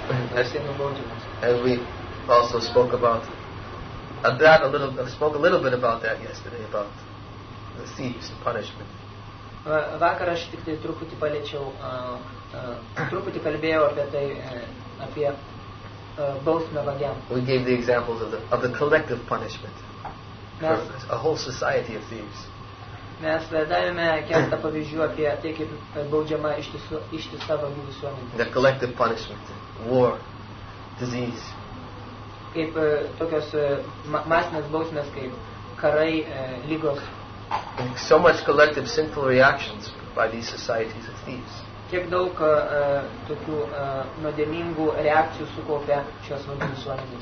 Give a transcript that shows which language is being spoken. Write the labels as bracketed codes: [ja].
[en] And we also spoke about that a little. Spoke a little bit about that yesterday about the thieves and punishment. [lt] Vakar aš tik truputį paliečiau, truputį kalbėjau apie tai, apie bausmę vagiam. [en] We gave the examples of the collective punishment for a whole society of thieves. [lt] Mes davėme keletą pavyzdžių apie tai, kaip baudžiama ištisa vagių visuomenė. [en] The collective punishment, war, disease. [lt] Kaip tokios masinės bausmės, kaip karai, ligos. [en] So much collective sinful reactions by these societies of thieves. [lt] Kiek daug tokių nuodėmingų reakcijų sukaupia šios vagių visuomenės.